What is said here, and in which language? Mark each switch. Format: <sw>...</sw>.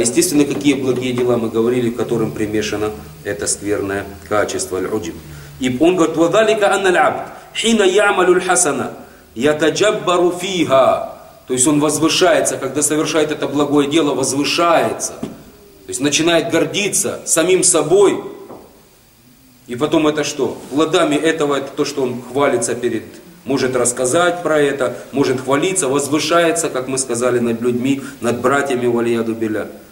<ru>Естественно, какие благие дела, мы говорили, которым примешано это скверное качество аль-уджб. И он говорит,</ru> <ar>وَذَلِكَ أَنَّ الْعَبْدْ حِينَ يَعْمَلُ الْحَسَنَ يَتَجَبَّرُ فِيهَا.</ar> <ru>То есть он возвышается, когда совершает это благое дело, возвышается. То есть начинает гордиться самим собой. И потом это что? Плодами этого, это то, что он хвалится перед, может рассказать про это, может хвалиться, возвышается, как мы сказали, над людьми, над братьями валияду биля.</ru>